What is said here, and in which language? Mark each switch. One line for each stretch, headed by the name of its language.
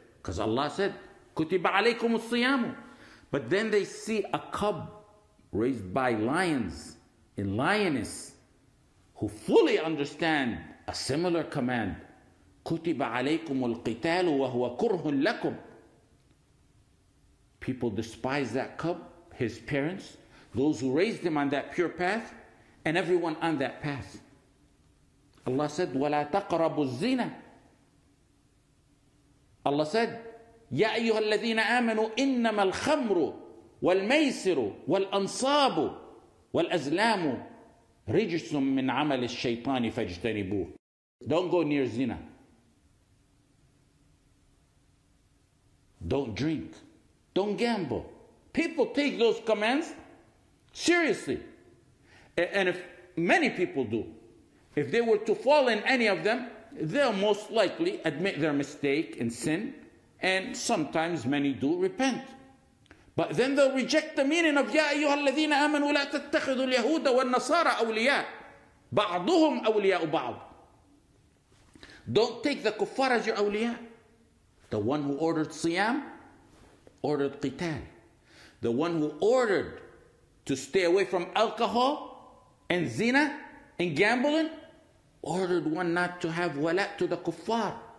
English: Because Allah said,
Arabic: kutiba alaykum as-siyamu.
English: But then they see a cub raised by lions, a lioness, who fully understand a similar command.
Arabic: Kutiba alaykum al-qitalu wa huwa kurhun lakum.
English: People despise that cub, his parents, those who raised him on that pure path, and everyone on that path. Allah said,
Arabic: وَلَا تَقْرَبُوا الزِّنَا.
English: Allah said,
Arabic: يَا أَيُّهَا الَّذِينَ آمَنُوا إِنَّمَا الْخَمْرُ وَالْمَيْسِرُ وَالْأَنصَابُ وَالْأَزْلَامُ رِجْسٌ مِّنْ عَمَلِ الشَّيْطَانِ فَاجْتَنِبُوهُ.
English: Don't go near zina. Don't drink. Don't gamble. People take those commands seriously. And if many people do, if they were to fall in any of them, they'll most likely admit their mistake and sin, and sometimes many do repent. But then they'll reject the meaning of
Arabic: يَا أَيُّهَا الَّذِينَ آمَنُوا لَا تَتَّخِذُوا الْيَهُودَ وَالنَّصَارَ أَوْلِيَاءَ بَعْضُهُمْ أَوْلِيَاءُ بَعْضُ.
English: Don't take the kuffar as your awliya. The one who ordered siyam, ordered qital. The one who ordered to stay away from alcohol and zina and gambling, ordered one not to have wala' to the kuffar.